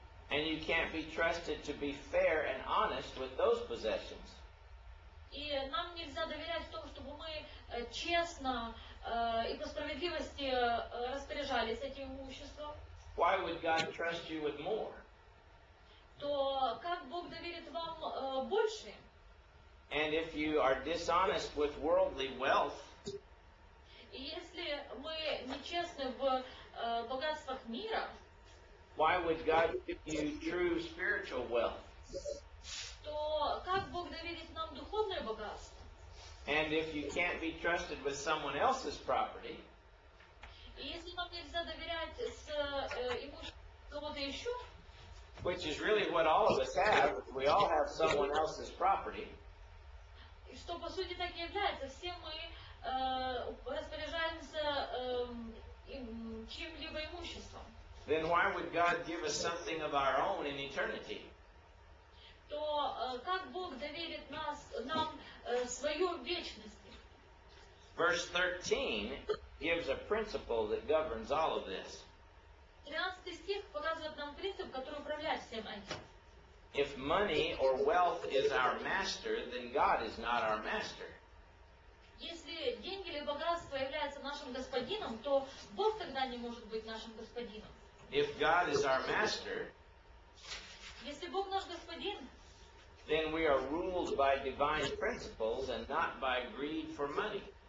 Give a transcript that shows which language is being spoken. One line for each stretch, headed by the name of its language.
English: and you can't be trusted to be fair and honest with those possessions.
Russian: И нам нельзя доверять в том, чтобы мы честно и по справедливости распоряжались этим имуществом.
English: Why would God trust you with more?
Russian: То как Бог доверит вам больше?
English: And if you are dishonest with worldly wealth,
Russian: если мы нечестны в богатствах мира,
English: Why would God give you true spiritual wealth?
Russian: То как Бог доверит нам духовное богатство?
English: And if you can't be trusted with someone else's property,
Russian: и если нам нельзя доверять с имуществом кого-то еще,
English: which is really what all of us have, we all have someone else's property.
Russian: И что по сути так и является, все мы распоряжаемся чем-либо имуществом.
English: Then why would God give us something of our own in eternity?
Russian: То как Бог доверит нам свою вечность?
English: Verse 13 gives a principle that governs all of this.
Russian: 13 стих показывает нам принцип, который управляет всем этим.
English: If money or wealth is our master, then God is not our master.
Russian: Если деньги или богатство является нашим господином, то Бог тогда не может быть нашим господином.
English: If God is our master,
Russian: если Бог наш господин,
English: then we are ruled by divine principles and not by greed for money.